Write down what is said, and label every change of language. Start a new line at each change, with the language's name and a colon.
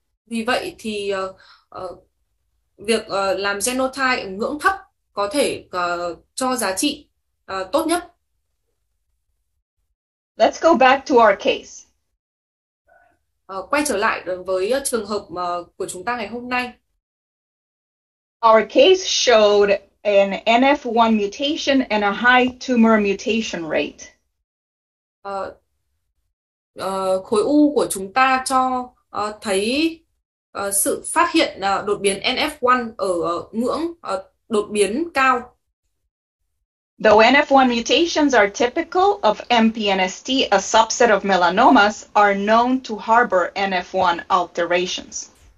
Vietnamese: Vì vậy thì việc làm genotype ngưỡng thấp có thể cho giá trị tốt nhất.
English: Let's go back to our case.
Vietnamese: Quay trở lại với trường hợp của chúng ta ngày hôm nay.
English: Our case showed an NF1 mutation and a high tumor mutation rate.
Vietnamese: Khối u của chúng ta cho thấy sự phát hiện đột biến NF1 ở ngưỡng đột biến cao.
English: Though NF1 mutations are typical of MPNST, a subset of melanomas are known to harbor NF1 alterations.